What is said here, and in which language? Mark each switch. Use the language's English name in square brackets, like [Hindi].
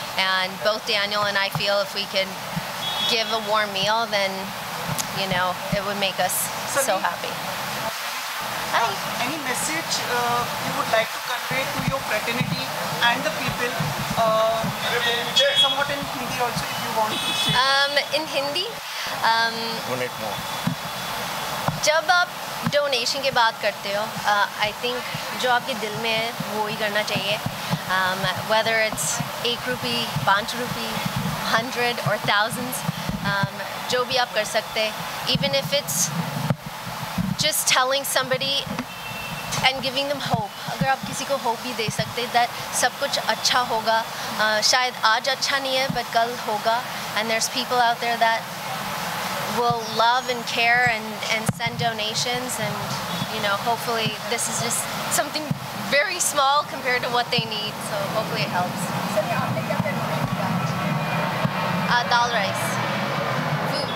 [English] And both Daniel and I feel if we could give a warm meal, then, you know, it would make us so happy. Any message you would like to convey to your fraternity and the people, somewhat in Hindi also, if you want to say? In Hindi? Donate more. [Hindi] जब आप donation के बात करते हो, [English] I think [Hindi] जो आपके दिल में है, वो ही करना चाहिए. [English] Whether it's 1 rupee, 5 rupee, 100 or thousands, [Hindi] जो भी आप कर सकते, [English] even if it's just telling somebody and giving them hope. [Hindi] अगर आप किसी को hope भी दे सकते that सब कुछ अच्छा होगा, शायद आज अच्छा नहीं है, but कल होगा. [English] And there's people out there that will love and care and send donations, and, you know, hopefully this is just something very small compared to what they need, so hopefully it helps. [Hindi] Dal rice.